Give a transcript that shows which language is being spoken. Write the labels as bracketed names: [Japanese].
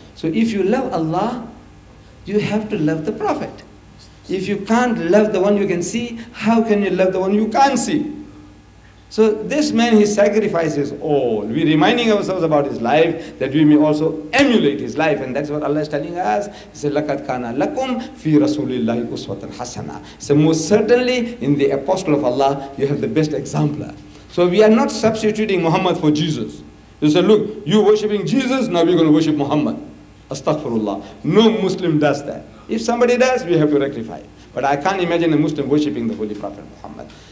[English] So if you love Allah, you have to love the Prophet. If you can't love the one you can see, how can you love the one you can't see? So this man, he sacrifices all. We're reminding ourselves about his life, that we may also emulate his life. And that's what Allah is telling us. He said, [Arabic] لَكَدْ كَانَ لَكُمْ فِي رَسُولِ اللَّهِ أُسْوَةً حَسَنًا. [English] So most certainly, in the apostle of Allah, you have the best exemplar. So we are not substituting Muhammad for Jesus. You say, look, you're worshipping Jesus, now we're going to worship Muhammad. Astaghfirullah. No Muslim does that. If somebody does, we have to rectify it. But I can't imagine a Muslim worshipping the Holy Prophet Muhammad.